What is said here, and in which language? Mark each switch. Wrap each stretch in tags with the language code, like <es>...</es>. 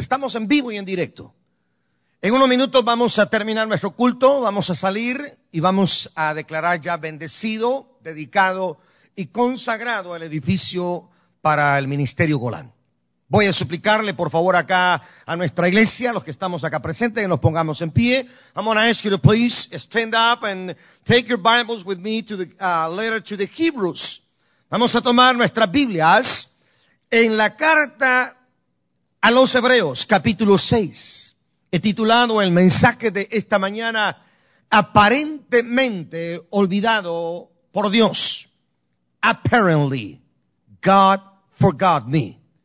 <es>Estamos en vivo y en directo. En unos minutos vamos a terminar nuestro culto, vamos a salir y vamos a declarar ya bendecido, dedicado y consagrado el edificio para el Ministerio Golán. Voy a suplicarle, por favor, acá a nuestra iglesia, los que estamos acá presentes, que nos pongamos en pie.</es> <en>I'm going to ask you to please stand up and take your Bibles with me to the letter to the Hebrews.</en> <es>Vamos a tomar nuestras Biblias en la carta a los Hebreos, capítulo 6. He titulado el mensaje de esta mañana, aparentemente olvidado por Dios.</es> <en>Apparently, God forgot me.</en>